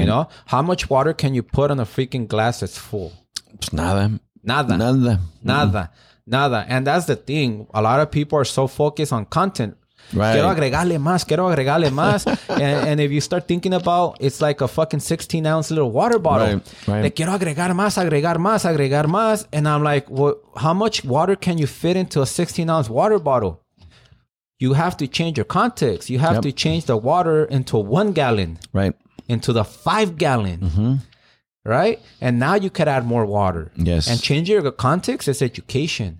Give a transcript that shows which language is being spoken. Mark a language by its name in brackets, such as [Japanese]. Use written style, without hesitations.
[English] You know, how much water can you put on a freaking glass that's full? It's nada. [Spanish] Nada. Nada. Nada. Nada. [English] And that's the thing. A lot of people are so focused on content. Right. [Spanish] Quiero agregarle más. Quiero agregarle más. [English] And if you start thinking about, it's like a fucking 16-ounce little water bottle. Right. Right. [Spanish] Quiero agregar más, agregar más, agregar más. [English] And I'm like, well, how much water can you fit into a 16-ounce water bottle? You have to change your context. You have to change the water into 1 gallon. Right. Into the 5 gallon. Mm-hmm. Right? And now you could add more water. Yes. And change your context is education.